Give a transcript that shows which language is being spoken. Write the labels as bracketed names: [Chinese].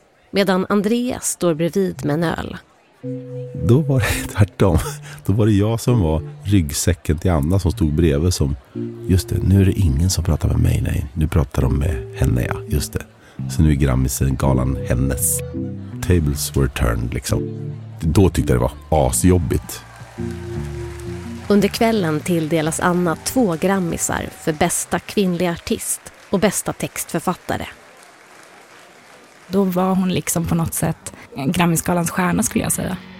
[Swedish] Medan Andreas står bredvid med en öl. Då var det tvärtom. Då var det jag som var ryggsäcken till Anna som stod bredvid som, just det, nu är det ingen som pratar med mig, nej. Nu pratar de med henne, ja, just det. Så nu är Grammisgalan hennes. [English] Tables were turned, liksom. [Swedish] Då tyckte jag det var asjobbigt. Under kvällen tilldelas Anna 2 grammisar för bästa kvinnliga artist och bästa textförfattare. Då var hon liksom på något sätt Grammisgalans stjärna, skulle jag säga.